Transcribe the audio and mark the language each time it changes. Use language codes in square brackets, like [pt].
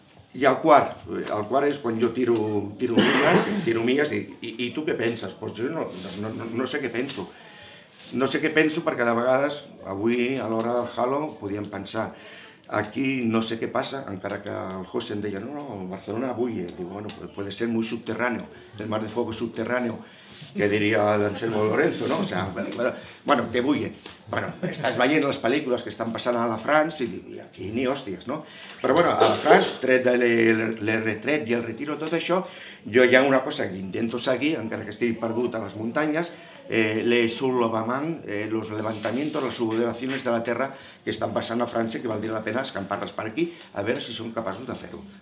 [ca] I el quart és quan jo tiro milles i tu què penses? Pues jo no sé què penso. No sé què penso perquè de vegades, avui a l'hora del Halo, podíem pensar, aquí no sé què passa, encara que el José em deia, no, [es] Barcelona bulle. Digo, bueno, puede ser muy subterráneo, el mar de fuego subterráneo, [ca] que diria l'Anselmo Lorenzo, no? [es] O sea, bueno, que bulle. [ca] Bueno, estàs veient les pel·lícules que estan passant a la France i aquí ni hòsties, no? Però bueno, a la France, tret de l'erretret i el retiro, tot això, jo hi ha una cosa que intento seguir, encara que estigui perdut a les muntanyes, les sublevaments, [es] los levantamientos, las sublevaciones [ca] de la terra que estan passant a França, que valdria la pena escampar-les per aquí, a veure si són capaços de fer-ho.